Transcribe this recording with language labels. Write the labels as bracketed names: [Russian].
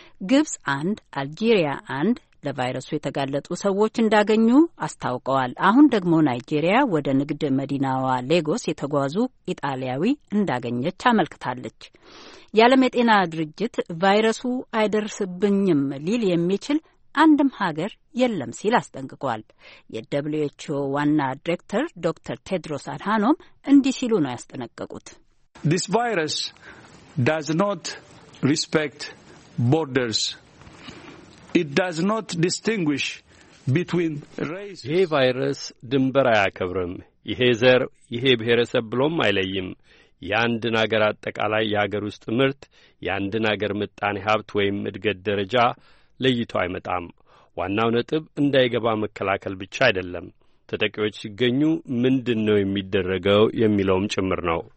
[Amharic] ግብጽ አንድ፣ አልጄሪያ አንድ ለቫይረሱ የተጋለጡ ሰዎች እንዳገኙ አስታውቀዋል። አሁን ደግሞ ናይጄሪያ ወደ ንግድ መዲናዋ ሌጎስ የተጓዙ ኢጣሊያዊ እንዳገኘች አመልክታለች። የዓለም የጤና ድርጅት ቫይረሱ አይደርስብኝም ሊል የሚችል አንድም ሀገር የለም ሲል አስጠንቅቋል። የWHO ዋና ዲሬክተር ዶክተር ቴድሮስ አድሃኖም እንዲህ ሲሉ ነው ያስጠነቀቁት። [English] This virus does not respect borders. It does not distinguish between races. [Amharic] ይሄ ቫይረስ ድንበር አያከብርም። ይሄ ዘር፣ ይሄ ብሔረሰብ ብሎም አይለይም። የአንድን አገር አጠቃላይ የአገር ውስጥ ምርት፣ የአንድን አገር ምጣኔ ሀብት ወይም እድገት ደረጃ ለይቶ አይመጣም። ዋናው ነጥብ እንዳይገባ መከላከል ብቻ አይደለም፣ ተጠቂዎች ሲገኙ ምንድን ነው የሚደረገው የሚለውም ጭምር ነው።